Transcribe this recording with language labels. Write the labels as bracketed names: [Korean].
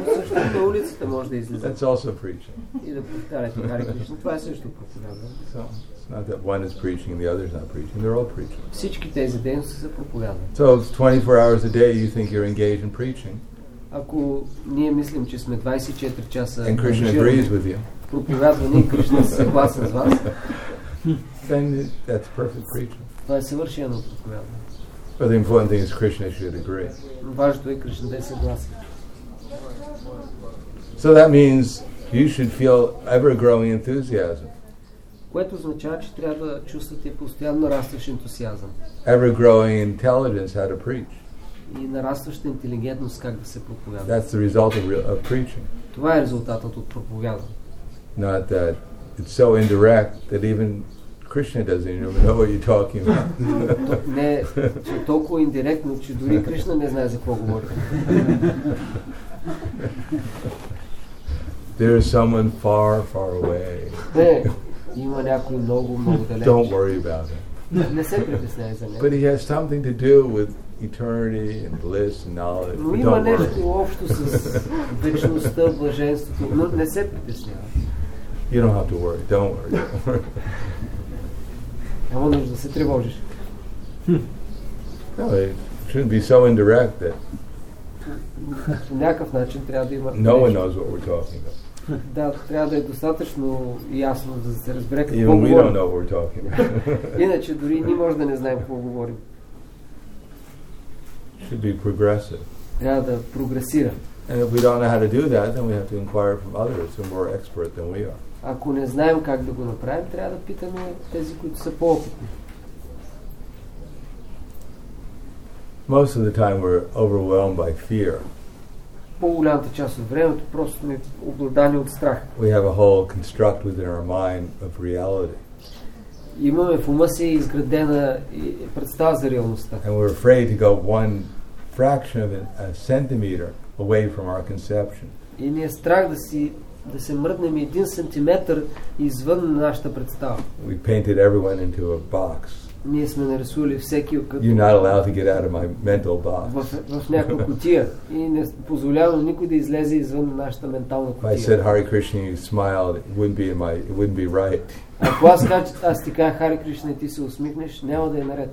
[Bulgarian] Същото улицата може да излезе. [English] That's also preaching. [Bulgarian] И да повтаряте Hare Krishna. Това е също проповядване. [English] So. Not that one is preaching and the other is not preaching. They're all preaching. [Bulgarian] Всички тези дейности са проповядване. [English] So if 24 hours a day you think you're engaged in preaching. [Bulgarian] Ако ние мислим, че сме 24 часа [English] and Krishna agrees with you. [Bulgarian] Проповядване и Кришна се съгласен с вас. [English] Then that's perfect preaching. [Bulgarian] Това е съвършено проповядване. [English] But the important thing is Krishna should agree. [Bulgarian] Важното е Кришна да е съгласен. [English] So that means you should feel ever-growing enthusiasm. [Bulgarian] Което означава, че трябва да чувствате постоянно растващ ентусиазъм. [English] Ever growing intelligence how to preach. [Bulgarian] И нарастваща интелигентност как да се проповядва. [English] That's the result of preaching. [Bulgarian] Това е резултатът от проповядване. [English] Not that it's so indirect that even Krishna doesn't even know what you're talking about. [Bulgarian] Не, че толкова индиректно, че дори Кришна не знае за какво говорим. [English] There is someone far, far away. [Bulgarian] Има някой много, много далеч. [English] Don't worry about it. [Bulgarian] Не се притесняй за него. [English] But he has something to do with eternity and bliss and knowledge. [Bulgarian] Но има нещо общо с вечността, блаженството. Но не се притеснявай. [English] You don't have to worry. Don't worry. [Bulgarian] Няма нужда да се тревожиш. [English] No, it shouldn't be so indirect that [Bulgarian] по някакъв начин трябва да има... [English] No one knows what we're talking about. [Bulgarian] Да, трябва да е достатъчно ясно, за да се разбере какво говорим. [English] Even we don't know what we're talking about. [Bulgarian] Иначе дори ние може да не знаем какво говорим. [English] Should be progressive. [Bulgarian] Трябва да прогресира. [English] And if we don't know how to do that, then we have to inquire from others who are more expert than we are. [Bulgarian] Ако не знаем как да го направим, трябва да питаме тези, които са по-опитни. [English] Most of the time we're overwhelmed by fear. [Bulgarian] По-голямата част от времето просто сме обладани от страх. [English] We have a whole construct within our mind of reality. [Bulgarian] Имаме в ума си изградена представа за реалността. [English] And we're afraid to go one fraction of a centimeter away from our conception. [Bulgarian] И ни е страх да се мръднем един сантиметр извън нашата представа. [English] We painted everyone into a box. [Bulgarian] Ние сме нарисували всеки от като [English] You're not allowed to get out of my mental box. [Bulgarian] В някаква кутия и не позволявам никой да излезе извън нашата ментална кутия. [English] If I said Hare Krishna, you smiled, it wouldn't be right. [Bulgarian] Ако аз ти кажа Hare Krishna и ти се усмихнеш, няма да е наред.